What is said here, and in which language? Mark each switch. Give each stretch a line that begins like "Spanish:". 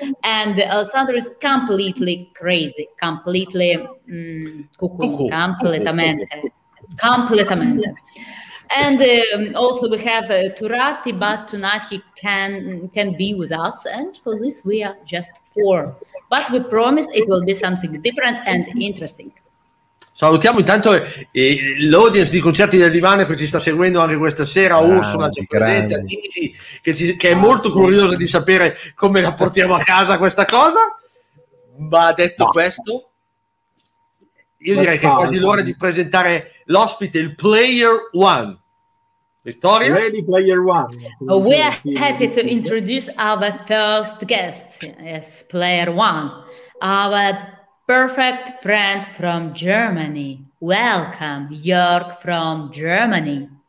English: And Alessandro is completely crazy, completely cuckoo,
Italian: completamente, completamente.
English: And also we have Turati, but tonight he can be with us, and for this we are just four. But we promise it will be something different and interesting.
Italian: Salutiamo intanto l'audience di Concerti del Divano che ci sta seguendo anche questa sera, Ursula, Grande, già presente, grande. che è molto curiosa di sapere come la portiamo a casa questa cosa. Ma detto questo, io direi che è quasi l'ora di presentare l'ospite, il Player One. Vittoria?
English: Ready player one. We are happy to introduce our first guest, yes, player one, our perfect friend from Germany. Welcome, Jörg from Germany.